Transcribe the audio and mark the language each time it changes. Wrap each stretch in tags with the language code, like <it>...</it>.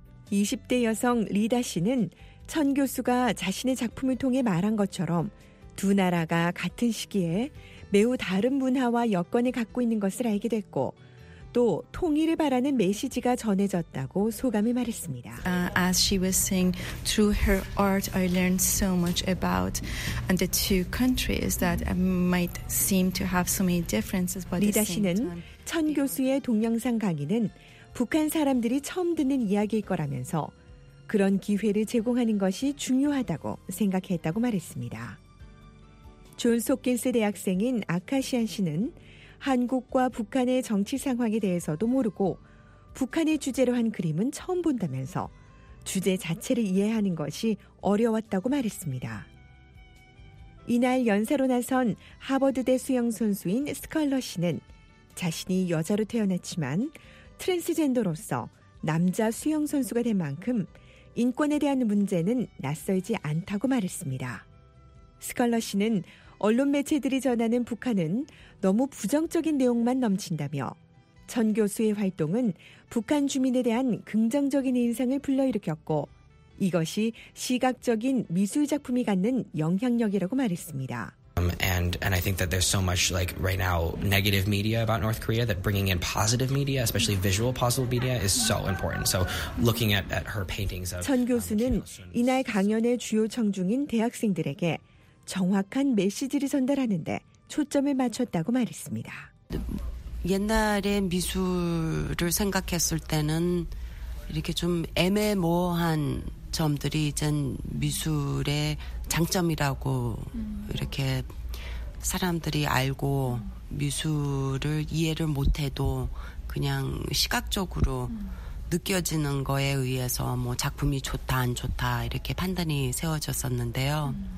<ko>20대 여성 리다 씨는 천 교수가 자신의 작품을 통해 말한 것처럼 두 나라가 같은 시기에 매우 다른 문화와 여건을 갖고 있는 것을 알게 됐고 또 통일을 바라는 메시지가 전해졌다고 소감을 말했습니다.</ko> <en>As she was saying, through her art, I learned so much about the two countries that might seem to have so many differences.</en> <ko>리다 씨는 천 교수의 동영상 강의는 북한 사람들이 처음 듣는 이야기일 거라면서 그런 기회를 제공하는 것이 중요하다고 생각했다고 말했습니다. 존스 홉킨스 대학생인 아카시안 씨는 한국과 북한의 정치 상황에 대해서도 모르고 북한의 주제로 한 그림은 처음 본다면서 주제 자체를 이해하는 것이 어려웠다고 말했습니다. 이날 연사로 나선 하버드대 수영선수인 스컬러 씨는 자신이 여자로 태어났지만 트랜스젠더로서 남자 수영선수가 된 만큼 인권에 대한 문제는 낯설지 않다고 말했습니다. 스컬러 씨는 언론 매체들이 전하는 북한은 너무 부정적인 내용만 넘친다며 천 교수의 활동은 북한 주민에 대한 긍정적인 인상을 불러일으켰고 이것이 시각적인 미술 작품이 갖는 영향력이라고 말했습니다.</ko> <en>And I think that there's so much like right now negative media about North Korea that bringing in positive media, especially visual positive media, is so important. So looking at her paintings.</en> <ko>천 교수는 이날 강연의 주요 청중인 대학생들에게 정확한 메시지를 전달하는데 초점을 맞췄다고 말했습니다. 옛날에 미술을 생각했을 때는 이렇게 좀 애매모호한 점들이 이젠 미술의 장점이라고 이렇게 사람들이 알고 미술을 이해를 못해도 그냥 시각적으로 느껴지는 거에 의해서 뭐 작품이 좋다 안 좋다 이렇게 판단이 세워졌었는데요.</ko>